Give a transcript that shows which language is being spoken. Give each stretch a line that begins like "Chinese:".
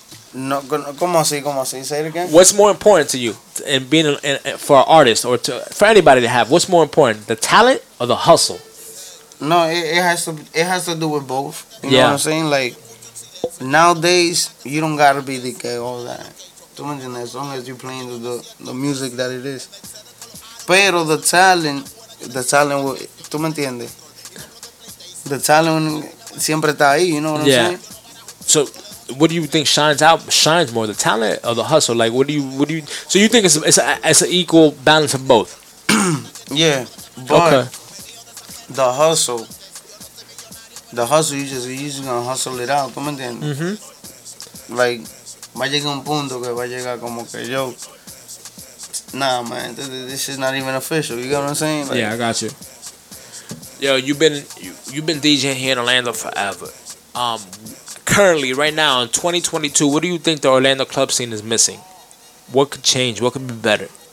English: What's more important to you in being for an artist or for anybody to have? What's more important, the talent or the hustle? No, it has to do with both. You know what I'm saying? Like, nowadays, you don't gotta be the guy all that. Too much, as long as you're playing the music that it is.
Spanish: Pero
English: the talent,
Spanish: ¿tú me entiendes?
English: The talent
Spanish: siempre está ahí,
English: you know what I'm saying? So, what do you think shines more, the talent or the hustle? Like, what do you, so you think it's an equal balance of both? Yeah, but okay. the hustle, you just gonna hustle it out,
Spanish: ¿tú me entiendes? Mm-hmm.
English: Like,
Spanish: va a llegar un punto que va a llegar como que yo...
English: Nah, man, this is not even official. You get what I'm saying? Like, yeah, I got you. Yo, you've been DJing here in Orlando forever. Currently, right now, in 2022, what do you think the Orlando club scene is missing? What could change? What could be better?